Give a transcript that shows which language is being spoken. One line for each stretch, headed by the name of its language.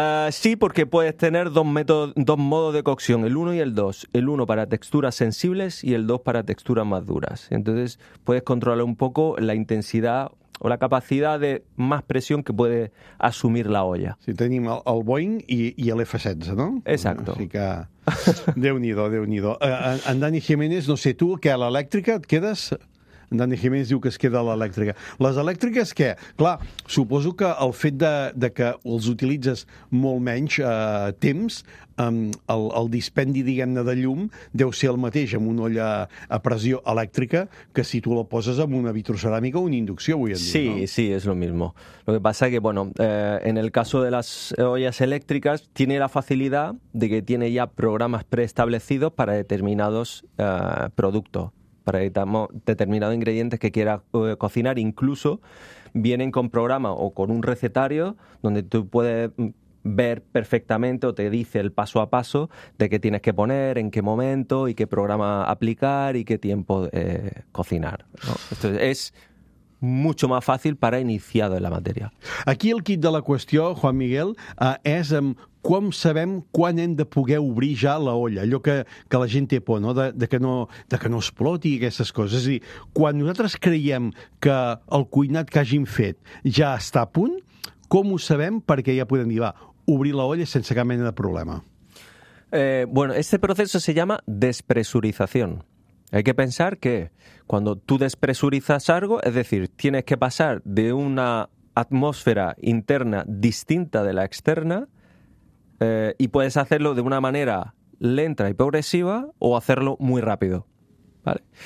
Spanish: Sí, porque puedes tener dos modos de cocción, el 1 y el 2. El 1 para texturas sensibles y el 2 para texturas más duras. Entonces puedes controlar un poco la intensidad o la capacidad de más presión que puede asumir la olla. Sí, tenemos el Boeing y el F-16, ¿no? Exacto. Así que,
Catalan: Déu-n'hi-do. En Dani Jiménez, no sé tu, que a l'elèctrica et quedes... En Dani Jiménez diu que es queda a l'elèctrica. Les elèctriques, què? Clar, suposo que el fet de que els utilitzes molt menys temps, el dispendi, diguem-ne, de llum, deu ser el mateix amb una olla a pressió elèctrica que si tu la poses amb una vitroceràmica o una inducció, vull dir. Sí, no?
Spanish: Sí, és lo mismo. Lo que pasa que, bueno, en el caso de las ollas eléctricas, tiene la facilidad de que tiene ya programas preestablecidos para determinados productos. Para determinados ingredientes que quieras cocinar, incluso vienen con programa o con un recetario donde tú puedes ver perfectamente o te dice el paso a paso de qué tienes que poner, en qué momento y qué programa aplicar y qué tiempo cocinar, ¿no? Esto es mucho más fácil para iniciado en la materia.
Catalan: Aquí el kit de la qüestió, Juan Miguel, és com sabem quan hem de poder obrir ja la olla, allò que la gent té por, no? de que no exploti aquestes coses. És a dir, quan nosaltres creiem que el cuinat que hàgim fet ja està a punt, com ho sabem perquè ja podem dir, va, obrir la olla sense cap mena de problema?
Spanish: Bueno, este proceso se llama despresurización. Hay que pensar que cuando tú despresurizas algo, es decir, tienes que pasar de una atmósfera interna distinta de la externa y puedes hacerlo de una manera lenta y progresiva o hacerlo muy rápido, ¿vale?